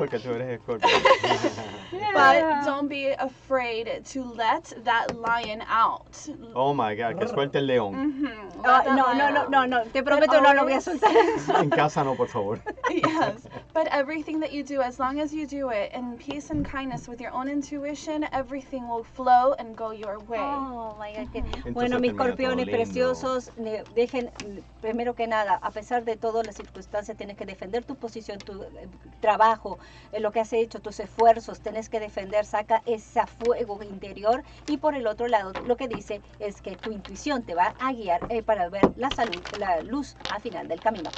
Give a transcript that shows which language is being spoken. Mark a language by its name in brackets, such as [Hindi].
[English] But don't be afraid to let that lion out. Oh my God, [Spanish] que suelte el león. No, te prometo no lo voy a soltar. En casa no, por favor. [English] Yes, but everything that you do, as long as you do it in peace and kindness with your own intuition, everything will flow and go your way. Oh my God. [Spanish] Bueno, mis escorpiones preciosos, dejen, primero que nada, a pesar de todas las circunstancias, tienes que defender tu posición, tu trabajo, lo que has hecho, tus esfuerzos, tienes que defender, saca ese fuego interior. Y por el otro lado, lo que dice es que tu intuición te va a guiar para ver la salud, la luz al final del camino.